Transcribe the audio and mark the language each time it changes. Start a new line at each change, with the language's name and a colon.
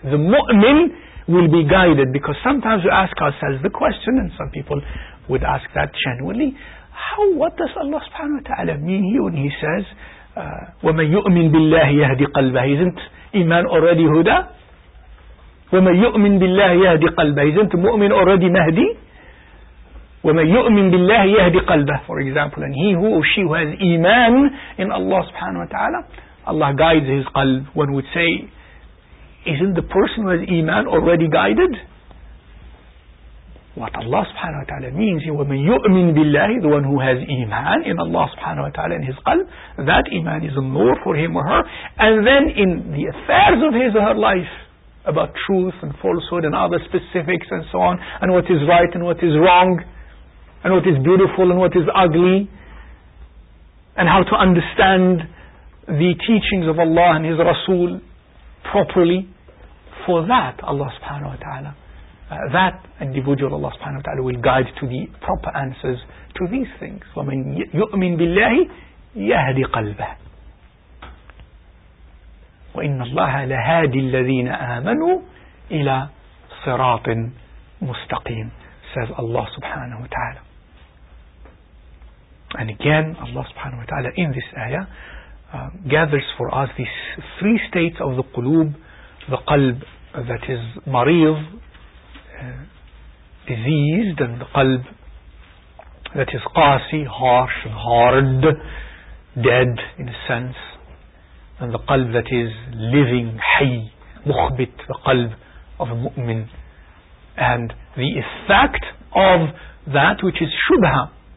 English: The mu'min will be guided, because sometimes we ask ourselves the question, and some people would ask that genuinely, how, what does Allah subhanahu wa ta'ala mean here when he says,
Arabic: وَمَن يُؤْمِن بِاللَّهِ يَهْدِ قَلْبَهِ,
English: isn't iman already huda?
Arabic: وَمَن يُؤْمِن بِاللَّهِ يَهْدِ قَلْبَهِ,
English: isn't mu'min already mahdi?
Arabic: وَمَن يُؤْمِن بِاللَّهِ يَهْدِ قَلْبَهِ,
English: for example, and he who or she who has iman in Allah subhanahu wa ta'ala, Allah guides his qalb. One would say, isn't the person who has iman already guided? What Allah subhanahu wa ta'ala means,
Arabic: وَمَن يُؤْمِن بِاللَّهِ,
English: the one who has iman in Allah subhanahu wa ta'ala in his qalb, that iman is a nur for him or her, and then in the affairs of his or her life, about truth and falsehood and other specifics and so on, and what is right and what is wrong, and what is beautiful and what is ugly, and how to understand the teachings of Allah and his Rasul properly, for that Allah subhanahu wa ta'ala, that individual Allah subhanahu wa ta'ala will guide to the proper answers to these things.
Arabic: وَمَن يُؤْمِن بِاللَّهِ يَهْدِ قَلْبَهِ وَإِنَّ اللَّهَ لَهَادِ الَّذِينَ آمَنُوا إِلَى صِرَاطٍ مُسْتَقِيمٍ,
English: says Allah subhanahu wa ta'ala. And again, Allah subhanahu wa ta'ala in this ayah gathers for us these three states of the qulub: the qalb that is mariz, diseased, and the qalb that is qasi, harsh and hard, dead in a sense, and the qalb that is living, hay, mukhbit, the qalb of a mu'min, and the effect of that which is shubha.